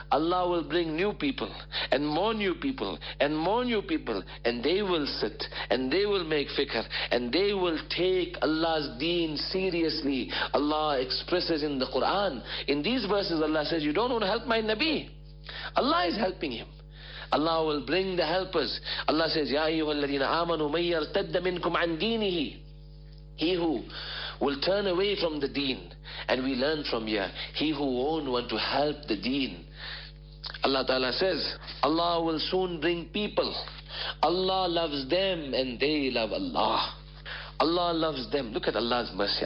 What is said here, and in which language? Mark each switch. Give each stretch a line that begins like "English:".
English: Allah will bring new people and more new people and more new people, and they will sit and they will make fikr and they will take Allah's deen seriously. Allah expresses in the Quran, in these verses Allah says, you don't want to help my Nabi. Allah is helping him. Allah will bring the helpers. Allah says,
Arabic: يَا أَيُّهَا الَّذِينَ آمَنُوا مَنْ يَرْتَدَّ مِنْكُمْ عَنْ دِينِهِ.
English: He who will turn away from the deen, and we learn from here, he who won't want to help the deen. Allah Ta'ala says, Allah will soon bring people. Allah loves them and they love Allah. Allah loves them. Look at Allah's mercy.